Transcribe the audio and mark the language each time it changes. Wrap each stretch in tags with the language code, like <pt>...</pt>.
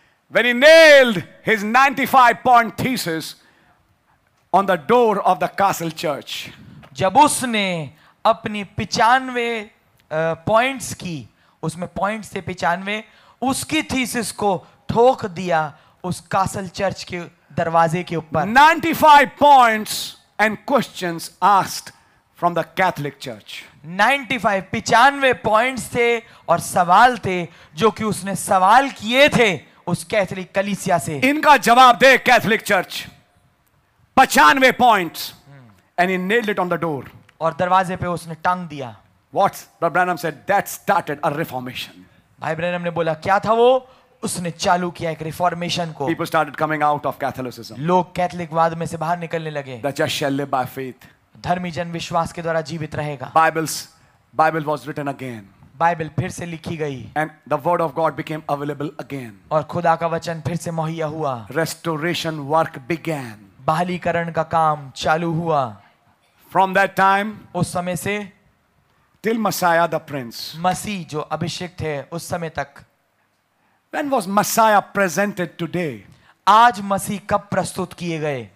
<en>when he nailed his 95-point thesis on the door of the castle church,</en> <hi>जब उसने अपनी 95 points की, उसमें पॉइंट्स थे 95, उसकी थीसिस को ठोक दिया उस कासल चर्च के दरवाजे के ऊपर।</hi> <en>95 points and questions asked from the Catholic church,</en> <hi>95 points थे और सवाल थे जो कि उसने सवाल किए थे उस कैथोलिक कलीसिया से। इनका जवाब दे</hi> <en>Catholic church, 95 points and he nailed it on the door,</en> <hi>और दरवाजे पे उसने टांग दिया।</hi> <en>What's Brother Branham said? That started a reformation.</en> <hi>भाई ब्रैनम ने बोला क्या था वो? उसने चालू किया एक reformation को.</hi> <en>People started coming out of Catholicism.</en> <hi>लोग कैथलिक वाद में से बाहर निकलने लगे.</hi> <en>The just shall live by faith.</en> <hi>धर्मी जन विश्वास के द्वारा जीवित रहेगा.</hi> <en>Bible was written again.</en> <hi>Bible फिर से लिखी गई.</hi> <en>And the word of God became available again.</en> <hi>और खुदा का वचन फिर से मुहैया हुआ.</hi> <en>Restoration work began.</en> <hi>बहालीकरण का काम चालू हुआ.</hi> <en>From that time.</en> <hi>उस समय से.</hi> <en>Till Messiah the Prince.</en> <hi>मसीह जो अभिषेक थे उस समय तक.</hi> <en>When was Messiah presented today?</en> <hi>आज मसीह कब प्रस्तुत किए गए?</hi>